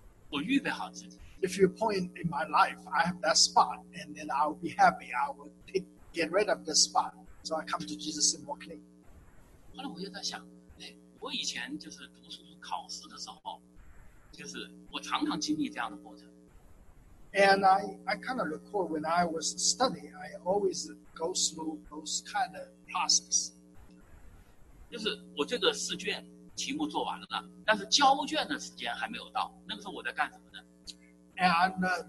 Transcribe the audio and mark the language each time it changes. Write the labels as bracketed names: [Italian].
[English] If you point in my life, I have that spot, and then I'll be happy. I will take, get rid of this spot, so I come to Jesus and walk in. [Chinese] 后来我就在想，哎，我以前就是读书考试的时候，就是我常常经历这样的过程。 [English] And I kind of recall when I was studying, I always go through those kind of process. [Chinese] 就是我这个试卷。题目做完了，但是交卷的时间还没有到。那个时候我在干什么呢？ [English] And